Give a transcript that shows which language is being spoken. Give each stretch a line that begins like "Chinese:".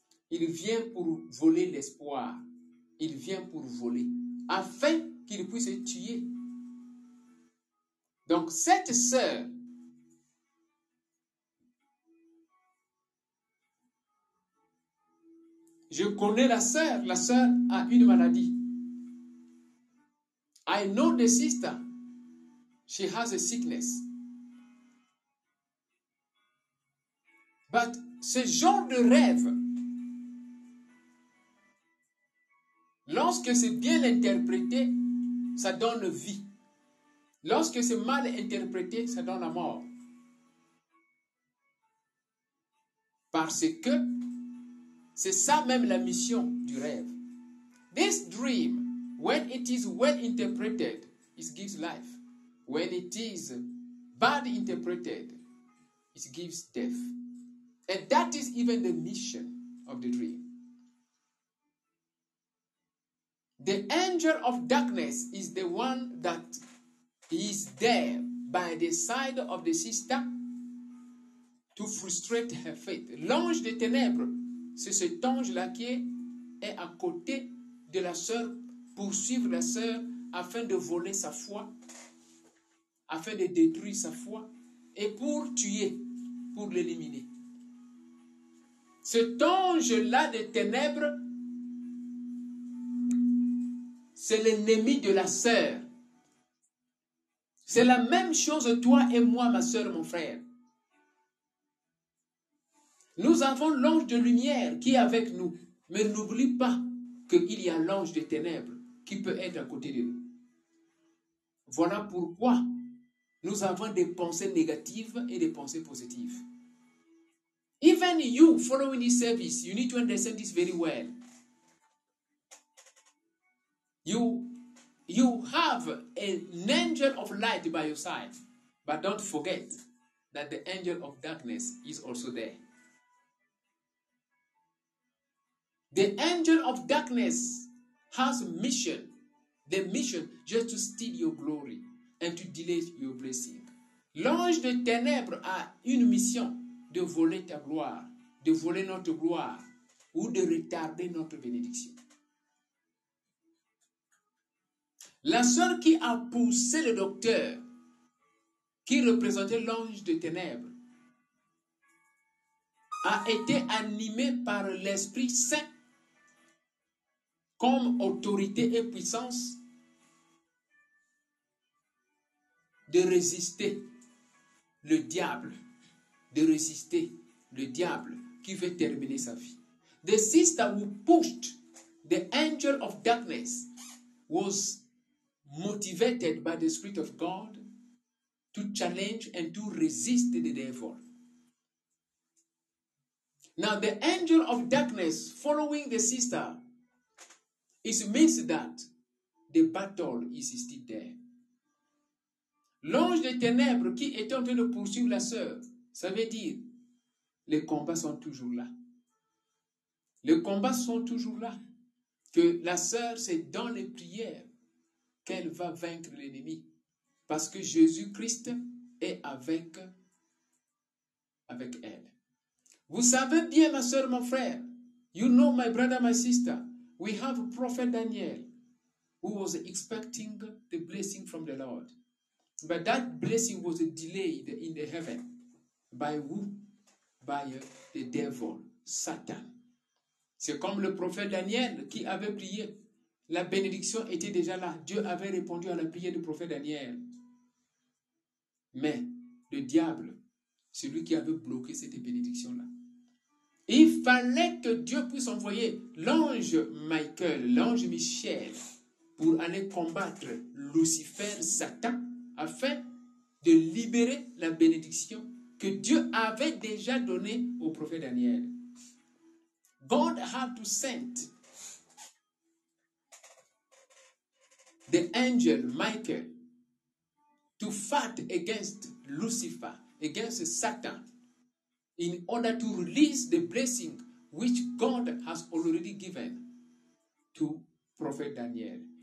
French: Il vient pour voler l'espoir. Il vient pour voler, afin qu'il puisse tuer. Donc cette sœur, je connais la sœur a une maladie.
English: I know the sister, she has a sickness.
French: But ce genre de rêve, lorsque c'est bien interprété, ça donne vie. Lorsque c'est mal interprété, ça donne la mort. Parce que c'est ça même la mission du rêve.
English: This dream, when it is well interpreted, it gives life. When it is bad interpreted, it gives death. And that is even the mission of the dream. The angel of darkness is the one that is there by the side of the sister to frustrate her faith.
French: L'ange des ténèbres, c'est cet ange-là qui est à côté de la sœur, poursuivre la sœur afin de voler sa foi, afin de détruire sa foi et pour tuer, pour l'éliminer. Cet ange-là des ténèbres, c'est l'ennemi de la sœur. C'est la même chose, toi et moi, ma sœur, mon frère. Nous avons l'ange de lumière qui est avec nous. Mais n'oublie pas qu'il y a l'ange des ténèbres qui peut être à côté de nous. Voilà pourquoi nous avons des pensées négatives et des pensées positives.
English: Even you, following this service, you need to understand this very well. You have an angel of light by your side, but don't forget that the angel of darkness is also there. The angel of darkness has mission, the mission just to steal your glory and to delay your blessing.
French: L'ange de ténèbres a une mission de voler ta gloire, de voler notre gloire ou de retarder notre bénédiction. La sœur qui a poussé le docteur, qui représentait l'ange de ténèbres, a été animée par l'Esprit Saint comme autorité et puissance de résister le diable, de résister le diable qui veut terminer sa vie.
English: The sister who pushed the angel of darkness was motivated by the Spirit of God to challenge and to resist the devil. Now, the angel of darkness following the sister, it means that the battle is still there.
French: L'ange des ténèbres qui est en train de poursuivre la sœur, ça veut dire les combats sont toujours là. Les combats sont toujours là. Que la sœur, c'est dans les prières qu'elle va vaincre l'ennemi. Parce que Jésus-Christ est avec elle. Vous savez bien, ma sœur, mon frère.
English: You know, my brother, my sister. We have prophet Daniel who was expecting the blessing from the Lord. But that blessing was delayed in the heaven. By who? By the devil, Satan.
French: C'est comme le prophète Daniel qui avait prié. La bénédiction était déjà là. Dieu avait répondu à la prière du prophète Daniel. Mais le diable, celui qui avait bloqué cette bénédiction-là. Il fallait que Dieu puisse envoyer l'ange Michael, l'ange Michel, pour aller combattre Lucifer, Satan, afin de libérer la bénédiction que Dieu avait déjà donnée au prophète Daniel.
English: God had to send the angel Michael to fight against Lucifer, against Satan, in order to release the blessing which God has already given to Prophet Daniel.